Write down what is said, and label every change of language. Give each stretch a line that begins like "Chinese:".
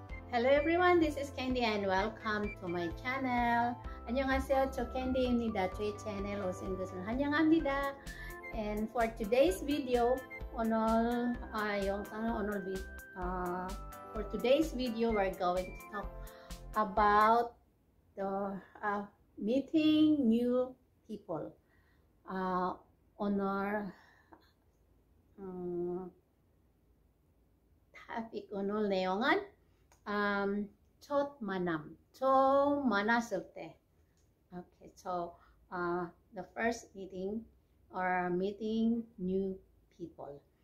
English: Hello everyone, this is Candy and welcome to my channel.
Korean: 안녕하세요, 저 캔디입니다. 저희 채널 오신 것을 환영합니다.
English: And for today's video, for today's video, we're going to talk about the meeting new people.
Korean: 오늘 내용은 첫 만남, 처음 만났을 때,
English: okay, so the first meeting or meeting new people.